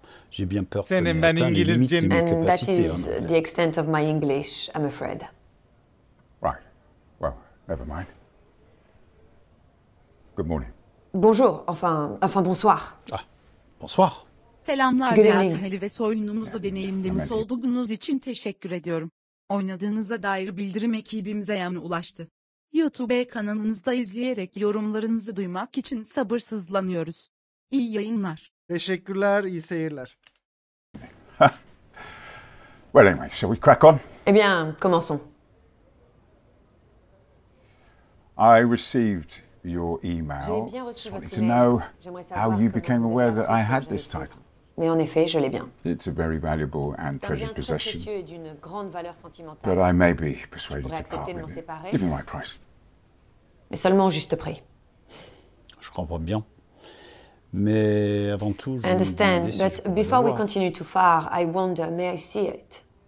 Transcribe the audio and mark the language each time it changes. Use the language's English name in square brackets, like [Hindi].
[French] J'ai bien peur que j'ai atteint les limites de mes capacités. [English] And that is the extent of my English, I'm afraid. Right. Well, never mind. Good morning. [French] Bonjour. Enfin, bonsoir. Ah, bonsoir. [Turkish] Selamlar Beyat Halil ve soyunumuzu deneyimlemiş olduğunuz için teşekkür ediyorum. Oynadığınıza dair bildirim ekibimize yani ulaştı. YouTube kanalınızda izleyerek yorumlarınızı duymak için sabırsızlanıyoruz. İyi yayınlar. Teşekkürler, iyi seyirler. [English] Well anyway, shall we crack on? [French] Eh bien, commençons. [English] I received your email. [French] J'ai bien reçu votre email. [English] How you became aware that I had this title. [French] Mais en effet, je l'ai bien. [English] It's a very valuable and treasured possession. [French] C'est un bien très précieux et d'une grande valeur sentimentale. [English] But I may be persuaded to part with it. Give me my price. [French] Mais seulement au juste prix. Je comprends bien. Mais avant tout, je [English] understand, but before we continue too far, I wonder, may I see it?